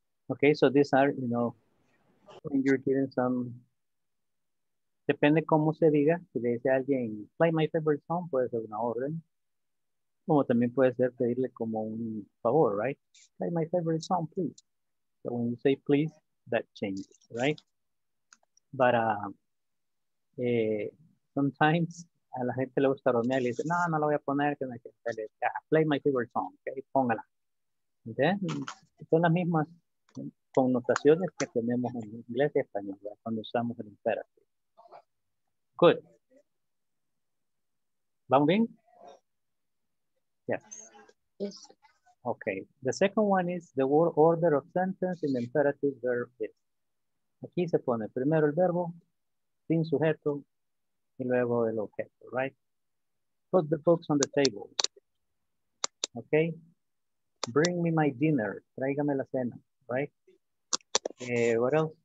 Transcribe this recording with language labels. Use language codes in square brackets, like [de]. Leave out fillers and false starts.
[en] Okay, so these are, you know, when you're giving some. [es] Depende cómo se diga, si le dice a alguien, [en] play my favorite song, [es] puede ser una orden. Como también puede ser pedirle como un favor, right? [en] Play my favorite song, please. So when you say please, that changes, right? But sometimes [es] a la gente le gusta romear y le dice, no lo voy a poner, que me quede. [en] Play my favorite song, okay? [es] Póngala. Entonces, son las mismas connotaciones que tenemos en inglés y español, ¿verdad? Cuando usamos el imperativo. [en] Good. ¿Vamos bien? Yes. Yes. Okay. The second one is the word order of sentence in the imperative verb is. [es] Aquí se pone primero el verbo, sin sujeto, y luego el objeto, right? [en] Put the books on the table. Okay. Bring me my dinner. [es] Tráigame la cena, [en] right? What else?